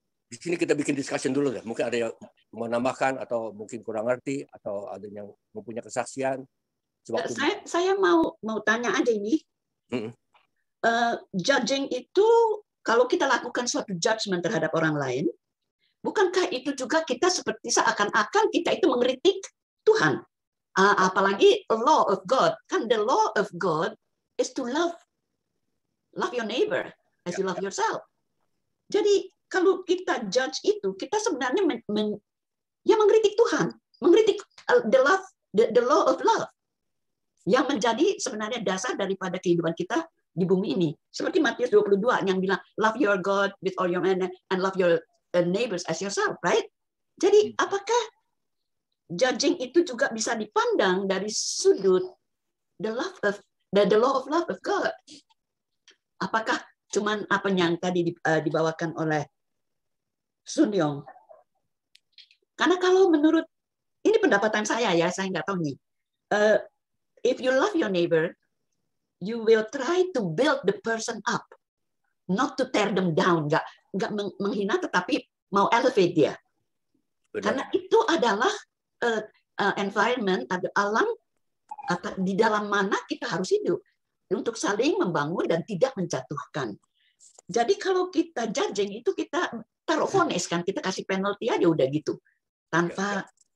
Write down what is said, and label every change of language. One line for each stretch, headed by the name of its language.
Indonesian: Di sini kita bikin discussion dulu deh. Mungkin ada yang mau nambahkan atau mungkin kurang ngerti atau ada yang mempunyai kesaksian. Saya mau tanya aja ini. Judging itu kalau kita lakukan suatu judgment terhadap orang lain, bukankah itu juga kita seperti seakan-akan kita itu mengkritik Tuhan?
English: Apalagi law of God. Kan the law of God is to love your neighbor as you love yourself.
Indonesian: Jadi kalau kita judge itu, kita sebenarnya mengkritik Tuhan, mengkritik
English: the law of love
Indonesian: yang menjadi sebenarnya dasar daripada kehidupan kita di bumi ini. Seperti Matius 22 yang bilang
English: love your God with all your mind and love your neighbors as yourself, right?
Indonesian: Jadi apakah judging itu juga bisa dipandang dari sudut
English: the law of love of God?
Indonesian: Apakah cuman apa yang tadi dibawakan oleh Sun Yong? Karena kalau menurut ini pendapatan saya nggak tahu nih.
English: If you love your neighbor, you will try to build the person up, not to tear them down.
Indonesian: Nggak menghina, tetapi mau elevate dia. Benar. Karena itu adalah environment atau alam di dalam mana kita harus hidup untuk saling membangun dan tidak menjatuhkan. Jadi kalau kita judging itu kita taruh vonis kan, kita kasih penalti aja udah gitu tanpa.